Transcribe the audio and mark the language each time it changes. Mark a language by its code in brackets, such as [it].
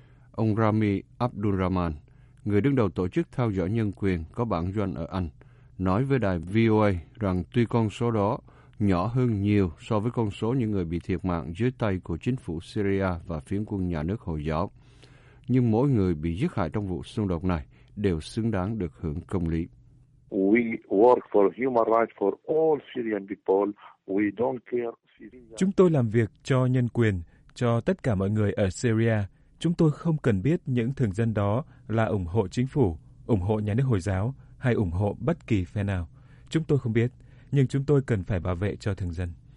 [vi] Ông Rami Abdulrahman, người đứng đầu tổ chức theo dõi nhân quyền có bản doanh ở Anh, nói với đài VOA rằng tuy con số đó nhỏ hơn nhiều so với con số những người bị thiệt mạng dưới tay của chính phủ Syria và phiến quân nhà nước Hồi giáo, nhưng mỗi người bị giết hại trong vụ xung đột này đều xứng đáng được hưởng công lý. [en] We work for human rights for all Syrian people. We don't care. [vi] Chúng tôi làm việc cho nhân quyền, cho tất cả mọi người ở Syria. Chúng tôi không cần biết những thường dân đó là ủng hộ chính phủ, ủng hộ nhà nước Hồi giáo hay ủng hộ bất kỳ phe nào. Chúng tôi không biết, nhưng chúng tôi cần phải bảo vệ cho thường dân.